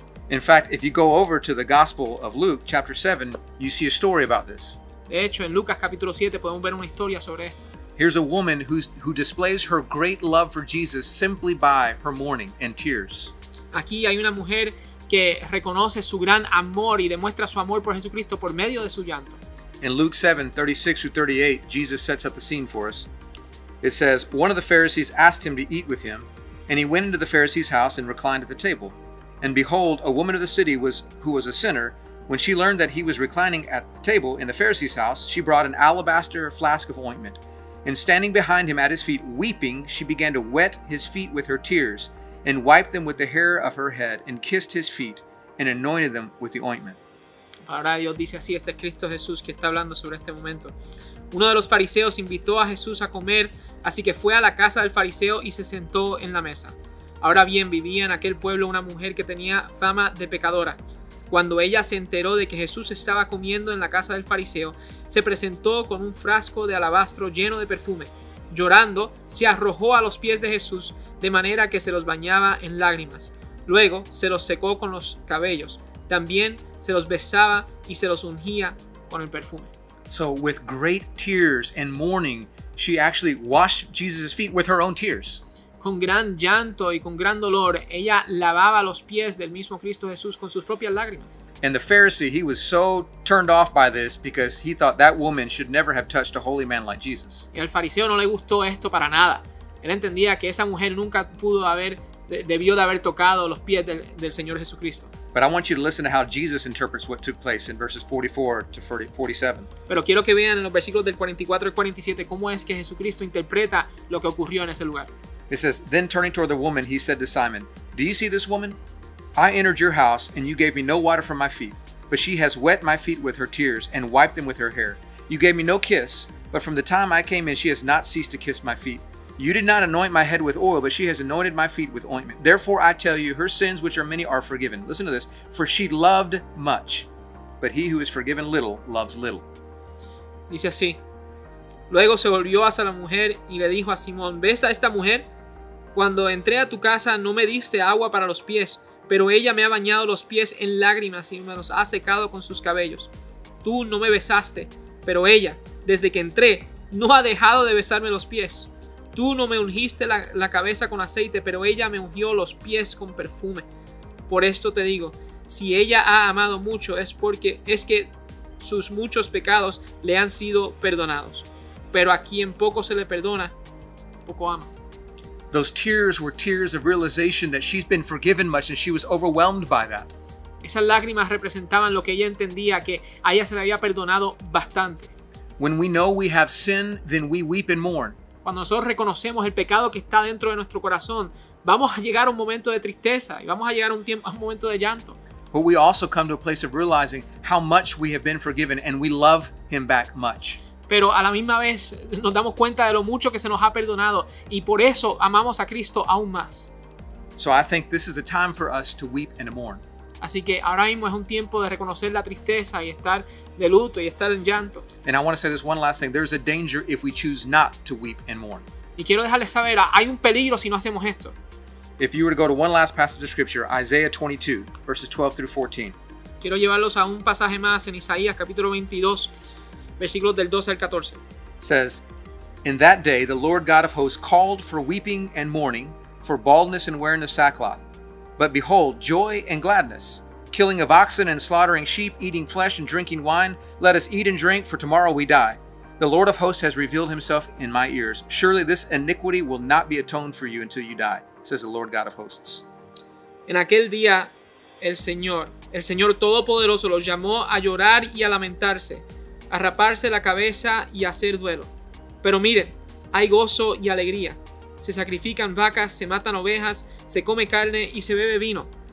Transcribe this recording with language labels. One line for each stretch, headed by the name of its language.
English: In fact, if you go over to the Gospel of Luke, chapter 7, you see a story about this.
Spanish: De hecho, en Lucas capítulo 7 podemos ver una historia sobre esto.
English: Here's a woman who displays her great love for Jesus simply by her mourning and tears.
Spanish: Aquí hay una mujer que reconoce su gran amor y demuestra su amor por Jesucristo por medio de su llanto.
English: In Luke 7, 36-38, Jesus sets up the scene for us. It says, "One of the Pharisees asked him to eat with him, and he went into the Pharisee's house and reclined at the table. And behold, a woman of the city who was a sinner, when she learned that he was reclining at the table in the Pharisee's house, she brought an alabaster flask of ointment. And standing behind him at his feet, weeping, she began to wet his feet with her tears, and wiped them with the hair of her head, and kissed his feet, and anointed them with the ointment."
Spanish: palabra de Dios dice así, este es Cristo Jesús que está hablando sobre este momento. Uno de los fariseos invitó a Jesús a comer, así que fue a la casa del fariseo y se sentó en la mesa. Ahora bien, vivía en aquel pueblo una mujer que tenía fama de pecadora. Cuando ella se enteró de que Jesús estaba comiendo en la casa del fariseo, se presentó con un frasco de alabastro lleno de perfume. Llorando, se arrojó a los pies de Jesús, de manera que se los bañaba en lágrimas. Luego, se los secó con los cabellos. También se los besaba y se los ungía con el perfume.
English: So, with great tears and mourning, she actually washed Jesus' feet with her own tears.
Spanish: Con gran llanto y con gran dolor, ella lavaba los pies del mismo Cristo Jesús con sus propias lágrimas.
English: And the Pharisee, he was so turned off by this because he thought that woman should never have touched a holy man like Jesus.
Spanish: Y al fariseo no le gustó esto para nada. Él entendía que esa mujer nunca pudo haber, debió de haber tocado los pies del Señor Jesucristo.
English: But I want you to listen to how Jesus interprets what took place in verses 44 to 47.
Spanish: Pero quiero que vean en los versículos del 44 al 47 cómo es que Jesucristo interpreta lo que ocurrió en ese lugar.
English: It says, then turning toward the woman, he said to Simon, do you see this woman? I entered your house and you gave me no water for my feet, but she has wet my feet with her tears and wiped them with her hair. You gave me no kiss, but from the time I came in, she has not ceased to kiss my feet. You did not anoint my head with oil, but she has anointed my feet with ointment. Therefore, I tell you, her sins, which are many, are forgiven. Listen to this. For she loved much, but he who is forgiven little loves little.
Spanish: Dice así. Luego se volvió hacia la mujer y le dijo a Simón, ¿ves a esta mujer? Cuando entré a tu casa no me diste agua para los pies, pero ella me ha bañado los pies en lágrimas y me los ha secado con sus cabellos. Tú no me besaste, pero ella, desde que entré, no ha dejado de besarme los pies. Tú no me ungiste la cabeza con aceite, pero ella me ungió los pies con perfume. Por esto te digo, si ella ha amado mucho es porque es que sus muchos pecados le han sido perdonados. Pero a quien poco se le perdona, poco ama.
English: Those tears were tears of realization that she's been forgiven much and she was overwhelmed by that.
Spanish: Esas lágrimas representaban lo que ella entendía, que a ella se le había perdonado bastante.
English: When we know we have sin, then we weep and mourn.
Spanish: Cuando nosotros reconocemos el pecado que está dentro de nuestro corazón, vamos a llegar a un momento de tristeza y vamos a llegar a un momento de llanto.
English: But we also come to a place of realizing how much we have been forgiven and we love him back much.
Spanish: Pero a la misma vez nos damos cuenta de lo mucho que se nos ha perdonado y por eso amamos a Cristo aún más.
English: So I think this is a time for us to weep and to mourn.
Spanish: Así que ahora mismo es un tiempo de reconocer la tristeza y estar de luto y estar en llanto.
English: And I want to say this one last thing. There's a danger if we choose not to weep and mourn.
Spanish: Y quiero dejarles saber, hay un peligro si no hacemos esto.
English: If you were to go to one last passage of scripture, Isaiah 22, verses 12 through 14.
Spanish: Quiero llevarlos a un pasaje más en Isaías capítulo 22. Versículos del 12 al 14.
English: Says, in that day the Lord God of hosts called for weeping and mourning, for baldness and wearing of sackcloth. But behold, joy and gladness, killing of oxen and slaughtering sheep, eating flesh and drinking wine. Let us eat and drink, for tomorrow we die. The Lord of hosts has revealed himself in my ears. Surely this iniquity will not be atoned for you until you die, says the Lord God of hosts.
Spanish: En aquel día el Señor Todopoderoso los llamó a llorar y a lamentarse, a raparse la cabeza y hacer duelo. Pero miren, hay gozo y alegría. Se sacrifican vacas, se matan ovejas, se come carne y se bebe vino.